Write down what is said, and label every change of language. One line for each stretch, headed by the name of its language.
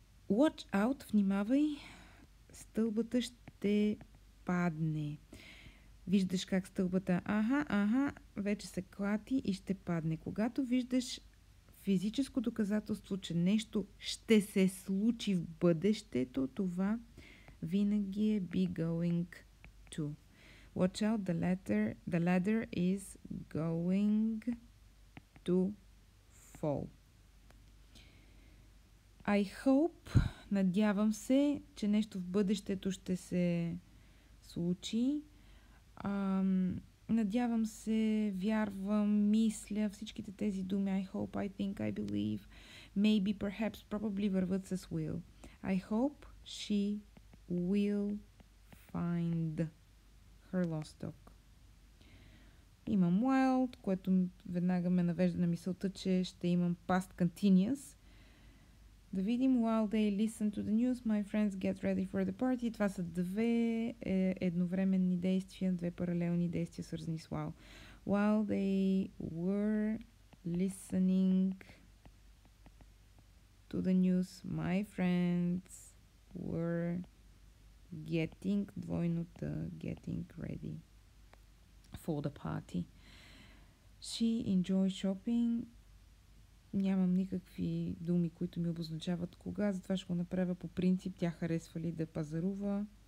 English: Watch out,
Bulgarian: внимавай, стълбата ще падне. Виждаш как стълбата, вече се клати и ще падне. Когато виждаш физическо доказателство, че нещо ще се случи в бъдещето, това винаги е be going to.
English: Watch out, the ladder is going to fall. I hope,
Bulgarian: надявам се, че нещо в бъдещето ще се случи. Надявам се, вярвам, мисля, всичките тези думи.
English: I hope, I think, I believe, maybe, perhaps, probably
Bulgarian: върват с
English: will. I hope she will find her lost dog.
Bulgarian: Имам wild, което веднага ме навежда на мисълта, че ще имам past continuous. Да видим,
English: while they listen to the news, my friends get ready for the party.
Bulgarian: Това са две едновременни действия, две паралелни действия, свързани с while.
English: While they were listening to the news, my friends were getting,
Bulgarian: двойното,
English: getting ready for the party. She enjoys shopping.
Bulgarian: Нямам никакви думи, които ми обозначават кога, затова ще го направя по принцип. Тя харесва ли да пазарува?